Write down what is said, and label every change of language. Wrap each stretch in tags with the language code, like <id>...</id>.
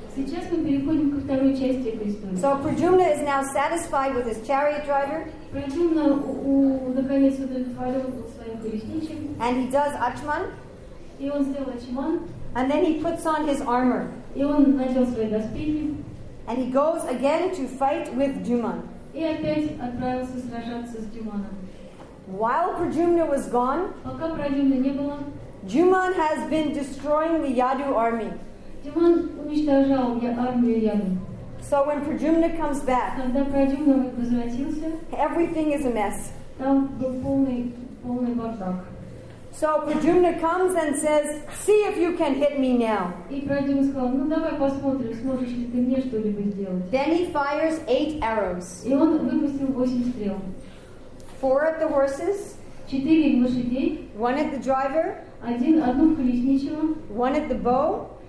<en>So Prajumna is now satisfied with his chariot driver. And he does Achman.</en> <ru>И он сделал чиман.</ru> <en>And then he puts on his armor.</en> <ru>И он надел свои доспехи.</ru> <en>And he goes again to fight with Duman.</en> <ru>И опять отправился сражаться с Дюманом.</ru> <en>While Pradyumna was gone,</en> <ru>пока Прадюмна не было,</ru> <en>Duman has been destroying the Yadu army.</en> <ru>Дюман уничтожал армию Яду.</ru> <en>So when Pradyumna comes back,</en> <ru>когда Прадюмна возвратился,</ru> <en>everything is a mess.</en> <ru>Там был полный бардак.</ru> <en>So Pradyumna comes and says, "See if you can hit me now."</en> <ru>И Прадюмна сказал: "Ну давай посмотрим, сможешь ли ты мне что-либо сделать."</ru> <en>Then he fires 8 arrows.</en> <ru>И он выпустил 8 стрел.</ru> <en>4 at the horses.</en> <ru>4 лошадей.</ru> <en>1 at the driver.</en> <ru>Одну в колесничего.</ru> <en>1 at the bow.</en>